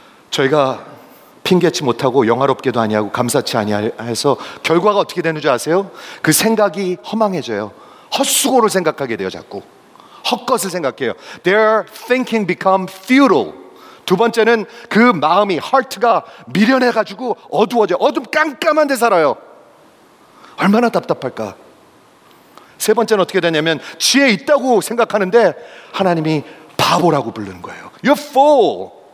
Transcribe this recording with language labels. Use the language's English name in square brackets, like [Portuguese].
[Korean] 저희가 핑계치 못하고 영화롭게도 아니하고 감사치 아니해서 결과가 어떻게 되는지 아세요? 그 생각이 허망해져요. 헛수고를 생각하게 돼요. 자꾸 헛것을 생각해요. [English] Their thinking become futile. [Korean] 두 번째는 그 마음이, heart가 미련해가지고 어두워져요. 어둠 깜깜한 데 살아요. 얼마나 답답할까. 세 번째는 어떻게 되냐면 지혜 있다고 생각하는데 하나님이 바보라고 부르는 거예요. [English] You're fool.